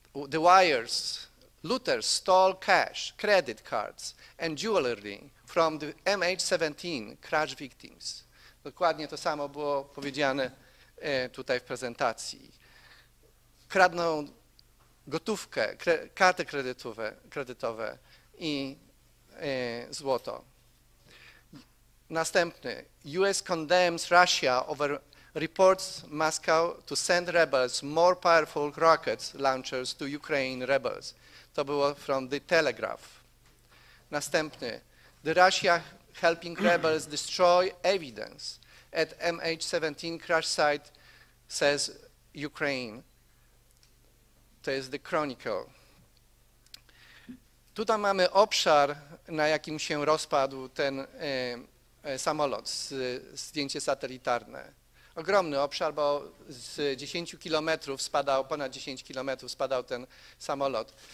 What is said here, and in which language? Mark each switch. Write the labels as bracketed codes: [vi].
[en] The wires, looters stole cash, credit cards and jewelry from the MH17 crash victims. [pl] Dokładnie to samo było powiedziane tutaj w prezentacji. Kradną gotówkę, karty kredytowe i złoto. Następny. [en] US condemns Russia over reports Moscow to send rebels more powerful rockets launchers to Ukraine rebels. [pl] To było [en] from the Telegraph. [pl] Następny. [en] The Russia helping rebels destroy evidence at MH17 crash site, says Ukraine. [pl] To jest The Chronicle. Tutaj mamy obszar, na jakim się rozpadł ten samolot, zdjęcie satelitarne. Ogromny obszar, bo z 10 kilometrów spadał, ponad 10 kilometrów spadał ten samolot.